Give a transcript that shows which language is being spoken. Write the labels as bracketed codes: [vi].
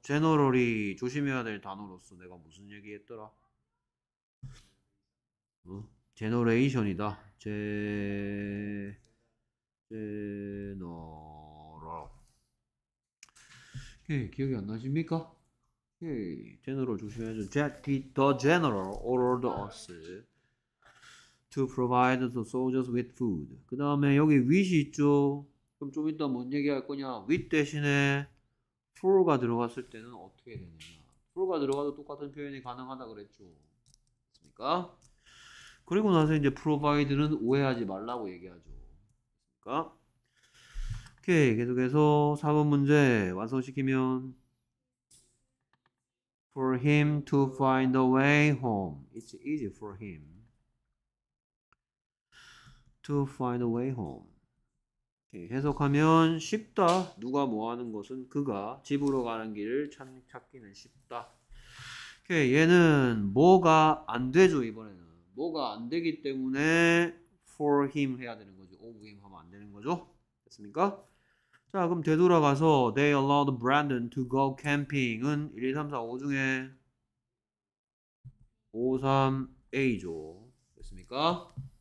[ko] 제너럴이 조심해야 될 단어로서 내가 무슨 얘기했더라? 제너레이션이다. 제너럴. 오케이, 기억이 안 나십니까? 오케이, 제너럴 조심해야죠. [en] The general ordered us to provide the soldiers with food. [ko] 그 다음에 여기 with 있죠? 그럼 좀 이따 뭔 얘기할 거냐? with 대신에 for가 들어갔을 때는 어떻게 되느냐? for가 들어가도 똑같은 표현이 가능하다 그랬죠. 됐습니까? 그리고 나서 이제 provide는 오해하지 말라고 얘기하죠. 됐습니까? 오케이, 계속해서 4번 문제 완성시키면 [en] For him to find a way home. It's easy for him to find a way home. [ko] 오케이, 해석하면 쉽다. 누가 뭐 하는 것은 그가 집으로 가는 길을 찾기는 쉽다. 오케이, 얘는 뭐가 안 되죠, 이번에는. 뭐가 안 되기 때문에 for him 해야 되는 거죠. of him 하면 안 되는 거죠. 됐습니까? 자, 그럼 되돌아가서 [en] They allowed Brandon to go camping [ko] 은 1, 2, 3, 4, 5 중에 5, 3, A죠. 됐습니까?